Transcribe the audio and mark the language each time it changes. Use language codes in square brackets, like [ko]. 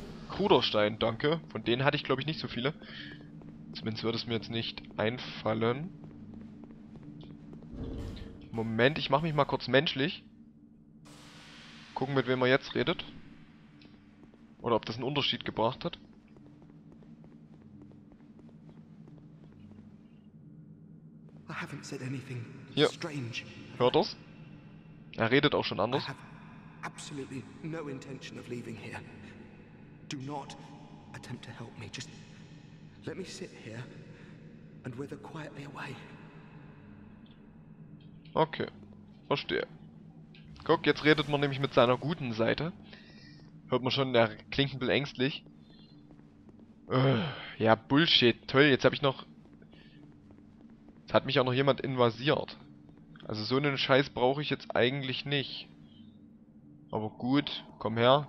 [de] Kruderstein, danke. Von denen hatte ich, glaube ich, nicht so viele. Zumindest würde es mir jetzt nicht einfallen. Moment, ich mache mich mal kurz menschlich. Gucken, mit wem er jetzt redet. Oder ob das einen Unterschied gebracht hat. [en] I haven't said anything strange. [de] Hört das? Er redet auch schon anders. [en] I have absolutely no intention of leaving here. Do not attempt to help me. Just let me sit here and wither quietly away. [de] Okay, verstehe. Guck, jetzt redet man nämlich mit seiner guten Seite. Hört man schon, der klingt ein bisschen ängstlich. Ja, Bullshit. Toll, jetzt habe ich noch... Jetzt hat mich auch noch jemand invasiert. Also so einen Scheiß brauche ich jetzt eigentlich nicht. Aber gut, komm her.